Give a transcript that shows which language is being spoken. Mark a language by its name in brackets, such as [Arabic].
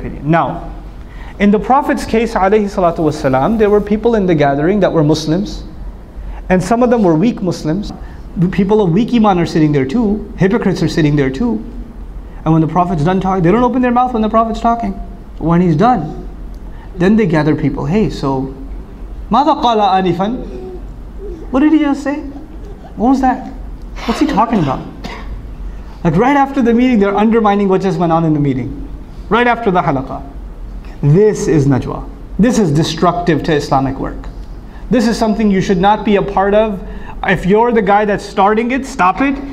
[English] Now, in the Prophet's case, alayhi salatu wasalam, there were people in the gathering that were Muslims, and some of them were weak Muslims. People of weak iman are sitting there too. Hypocrites are sitting there too. And when the Prophet's done talking, they don't open their mouth when the Prophet's talking. When he's done, then they gather people. Hey, so, [Arabic] ماذا قال آنفا? [English] What did he just say? What was that? What's he talking about? Like right after the meeting, they're undermining what just went on in the meeting. Right after the halaqah. This is najwa. This is destructive to Islamic work. This is something you should not be a part of. If you're the guy that's starting it, stop it.